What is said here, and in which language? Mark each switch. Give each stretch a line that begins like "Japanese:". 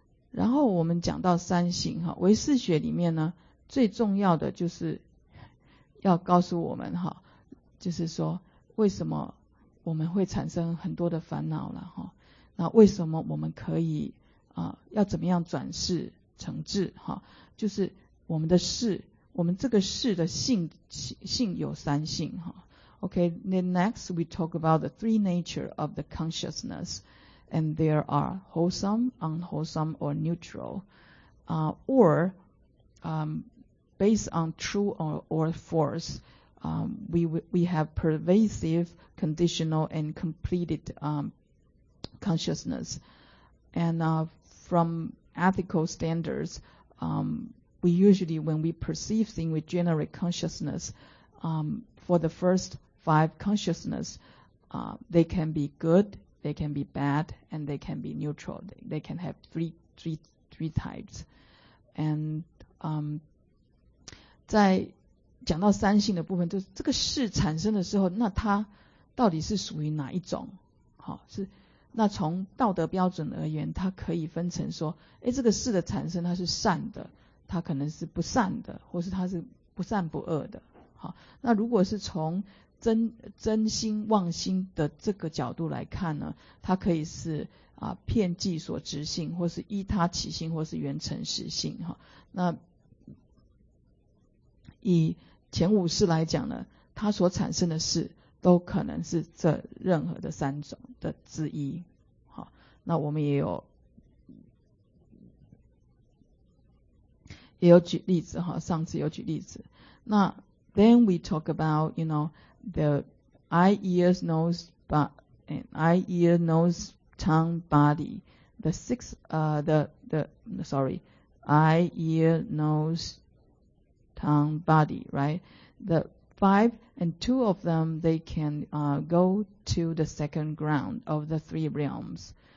Chinese: 然后我们讲到三性，唯识学里面呢，最重要的就是要告诉我们，就是说为什么我们会产生很多的烦恼，那为什么我们可以要怎么样转识成智，就是我们的识，我们这个识的性有三性。
English: Okay, then next we talk about the three nature of the consciousness, and there are wholesome, unwholesome, or neutral, based on true or false. We have pervasive, conditional, and completed consciousness, and from ethical standards, we usually, when we perceive things, we generate consciousness. For the first five consciousness, they can be good, they can be bad, and they can be neutral. They can have three types.
Chinese: And 在讲到三性的部分，就是这个事产生的时候，那它到底是属于哪一种？好，是那从道德标准而言，它可以分成说，哎，这个事的产生它是善的，它可能是不善的，或是它是不善不恶的。好，那如果是从真心妄心的这个角度来看呢，它可以是骗计所执性，或是依他起性，或是缘成实性。哈，那以前五识来讲呢，它所产生的事都可能是这任何的三种的之一。好，那我们也有举例子哈，上次有举例子。
English: 那 then we talk about you know the eye, ears, nose, but and eye, ear, nose, tongue, body, the six eye, ear, nose. Tongue, body, right? The five and two of them, they can go to the second ground of the three realms.